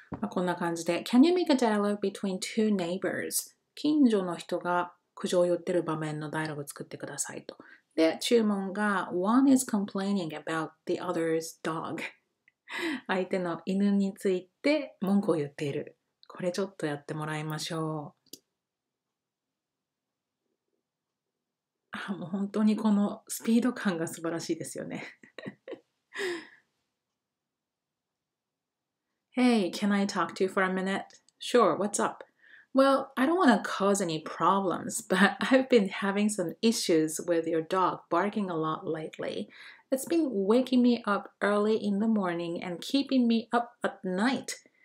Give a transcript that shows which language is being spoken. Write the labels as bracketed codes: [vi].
[ja] こんな感じで、 [en] Can you make a dialogue between two neighbors? [ja] 近所の人が苦情を言ってる場面のダイアログを作ってくださいと。で、注文が、 [en] One is complaining about the other's dog. [ja] 相手の犬について文句を言っている。これちょっとやってもらいましょう。あ、もう本当にこのスピード感が素晴らしいですよね。 [en] Hey, can I talk to you for a minute? Sure, what's up? Well, I don't want to cause any problems, but I've been having some issues with your dog barking a lot lately. It's been waking me up early in the morning and keeping me up at night.